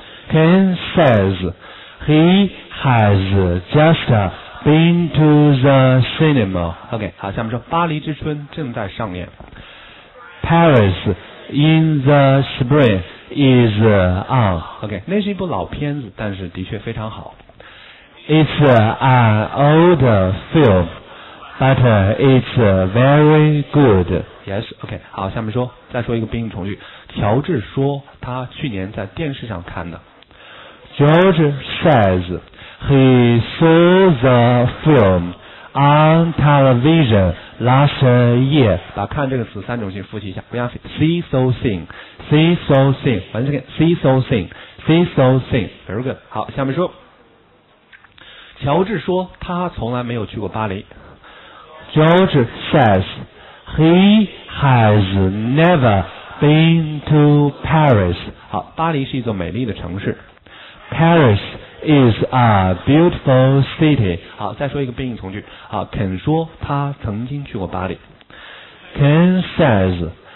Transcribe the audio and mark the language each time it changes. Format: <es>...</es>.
<en>Ken says he has just. Been to the cinema.</en> <zh>OK, 好，下面说巴黎之春正在上演。</zh> <en>Paris in the spring is on.</en> <zh>OK, 那是一部老片子，但是的确非常好。</zh> <en>It's an old film, but it's very good. Yes, OK,</en> <zh>好，下面说，再说一个宾语从句。乔治说他去年在电视上看的。</zh> <en>George says,He saw the film on television last year.</en> <zh>把看这个词三种性复习一下。不要</zh> <en>see, so, sing.</en> <zh>完全</zh> <en>see, so, sing. Very good.</en> <zh>好，下面说。乔治说他从来没有去过巴黎。</zh> <en>George says he has never been to Paris.</en> <zh>好，巴黎是一座美丽的城市。</zh> <en>Paris. Is a beautiful city.</en> <zh>好，再说一个宾语从句。好 ，Ken 说他曾经去过巴黎。</zh> <en>Ken says. He...</en>